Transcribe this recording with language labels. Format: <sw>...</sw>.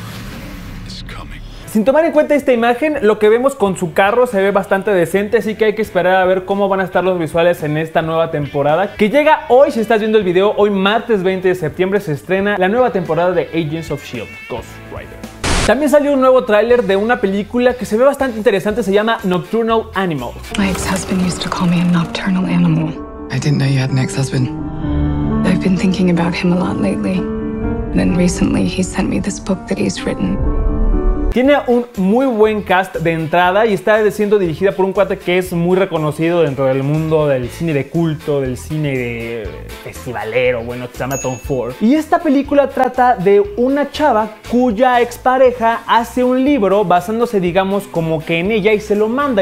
<en>Vengeance is coming.</en> <es>Sin tomar en cuenta esta imagen, lo que vemos con su carro se ve bastante decente, así que hay que esperar a ver cómo van a estar los visuales en esta nueva temporada, que llega hoy, si estás viendo el video, hoy martes 20 de septiembre se estrena la nueva temporada de Agents of S.H.I.E.L.D. Ghost Rider. También salió un nuevo tráiler de una película que se ve bastante interesante, se llama Nocturnal Animal.</es> <en>My ex-husband used to call me a nocturnal animal. I didn't know you had an ex-husband. I've been thinking about him a lot lately. Then recently he sent me this book that he's written.</en> <es>Tiene un muy buen cast de entrada y está siendo dirigida por un cuate que es muy reconocido dentro del mundo del cine de culto, del cine de festivalero, bueno, que se llama Tom Ford. Y esta película trata de una chava cuya expareja hace un libro basándose, digamos, como que en ella y se lo manda.</es>